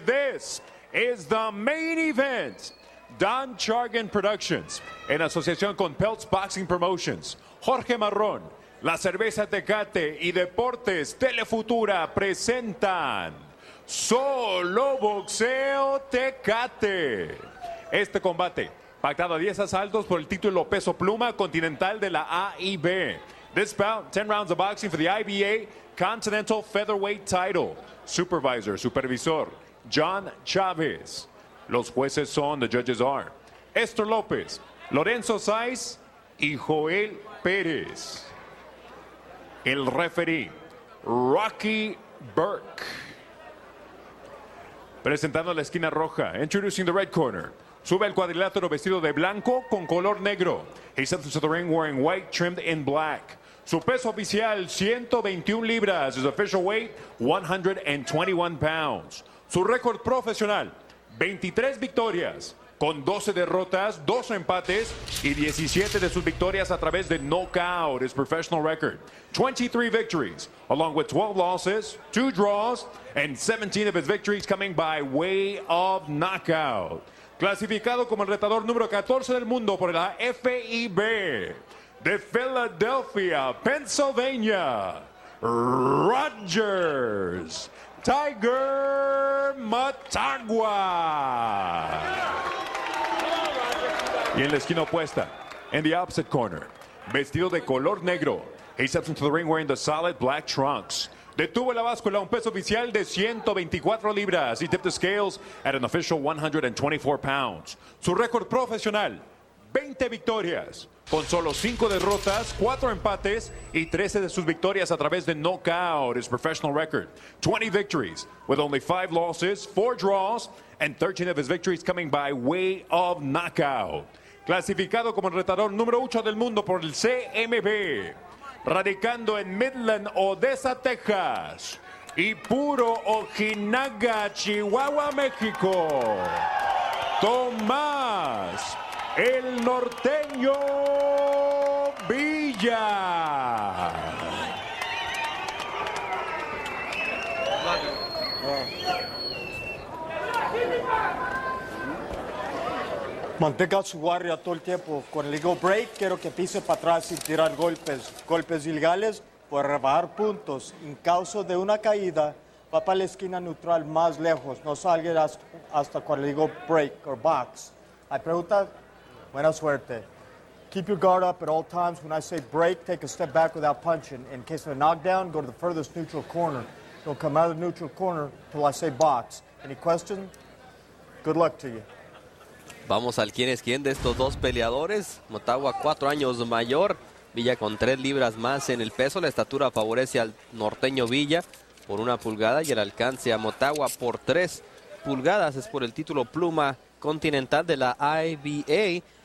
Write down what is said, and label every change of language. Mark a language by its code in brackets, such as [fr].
[en] This is the main event. [es] Don Chargan Productions, en asociación con Peltz Boxing Promotions, Jorge Marrón, La Cerveza Tecate y Deportes Telefutura presentan Solo Boxeo Tecate. Este combate, pactado a 10 asaltos por el título peso pluma continental de la AIB. [en] This bout, 10 rounds of boxing for the IBA Continental Featherweight title. [es] Supervisor, supervisor, John Chavez. Los jueces son, [en] the judges are, [es] Esther López, Lorenzo Saiz y Joel Pérez. El referee, Rocky Burke. Presentando la esquina roja, [en] introducing the red corner. [es] Sube al cuadrilátero vestido de blanco con color negro. [en] He steps into the ring wearing white trimmed in black. [es] Su peso oficial, 121 libras. [en] His official weight, 121 pounds. [es] Su récord profesional, 23 victorias con 12 derrotas, 2 empates y 17 de sus victorias a través de knockout. [en] His professional record, 23 victories along with 12 losses, 2 draws and 17 of his victories coming by way of knockout. [es] Clasificado como el retador número 14 del mundo por la FIB de Philadelphia, Pennsylvania, Rogers Tiger Matagua. Y en la esquina opuesta, en [en] the opposite corner, [es] vestido de color negro, [en] he steps into the ring wearing the solid black trunks. [es] Detuvo la báscula a un peso oficial de 124 libras. [en] He tipped the scales at an official 124 pounds. [es] Su récord profesional, 20 victorias, con solo 5 derrotas, 4 empates y 13 de sus victorias a través de knockout. [en] His professional record, 20 victories with only 5 losses, 4 draws and 13 of his victories coming by way of knockout. [es] Clasificado como el retador número 8 del mundo por el CMB. Radicando en Midland, Odessa, Texas, y puro Ojinaga, Chihuahua, México, Tomás el Norteño Villa. Mantenga su guardia todo el tiempo. Con el legal break, quiero que pise para atrás y tirar golpes. Golpes ilegales por rebajar puntos. En caso de una caída, va para la esquina neutral más lejos. No salga hasta con el legal break o box. Hay preguntas. Buena suerte. [en] Keep your guard up at all times. When I say break, take a step back without punching. In case of a knockdown, go to the furthest neutral corner. Don't come out of the neutral corner until I say box. Any question? Good luck to you. [es] Vamos al quién es quién de estos dos peleadores. Motagua, 4 años mayor. Villa con 3 libras más en el peso. La estatura favorece al Norteño Villa. por una pulgada y el alcance a Motagua por 3 pulgadas. Es por el título pluma continental de la IBA.